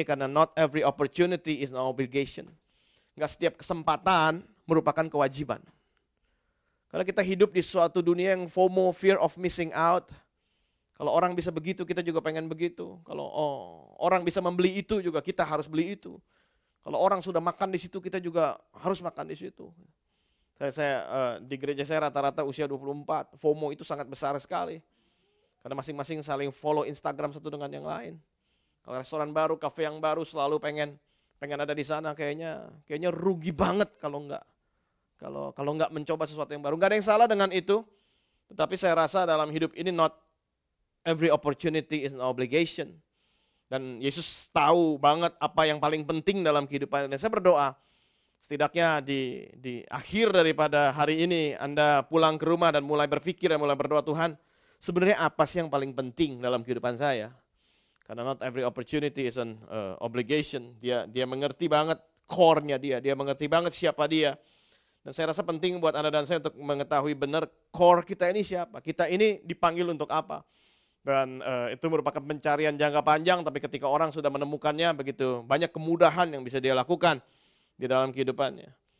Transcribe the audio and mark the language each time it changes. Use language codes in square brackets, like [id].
[id] Karena [en] not every opportunity is an obligation. [id] Nggak setiap kesempatan merupakan kewajiban. Karena kita hidup di suatu dunia yang FOMO, fear of missing out. Kalau orang bisa begitu, kita juga pengen begitu. Kalau orang bisa membeli itu juga, kita harus beli itu. Kalau orang sudah makan di situ, kita juga harus makan di situ. Di gereja saya rata-rata usia 24, FOMO itu sangat besar sekali. Karena masing-masing saling follow Instagram satu dengan yang lain. Kalau restoran baru, kafe yang baru, selalu pengen ada di sana, kayaknya rugi banget kalau enggak mencoba sesuatu yang baru. Enggak ada yang salah dengan itu. Tetapi saya rasa dalam hidup ini [en] not every opportunity is an obligation. [id] Dan Yesus tahu banget apa yang paling penting dalam kehidupan. Dan saya berdoa setidaknya di akhir daripada hari ini Anda pulang ke rumah dan mulai berpikir dan mulai berdoa, Tuhan, sebenarnya apa sih yang paling penting dalam kehidupan saya? Karena [en] not every opportunity is an obligation. [id] Dia mengerti banget core-nya dia. Dia mengerti banget siapa dia. Dan saya rasa penting buat Anda dan saya untuk mengetahui benar core kita ini siapa. Kita ini dipanggil untuk apa. Dan itu merupakan pencarian jangka panjang. Tapi ketika orang sudah menemukannya, begitu banyak kemudahan yang bisa dia lakukan di dalam kehidupannya.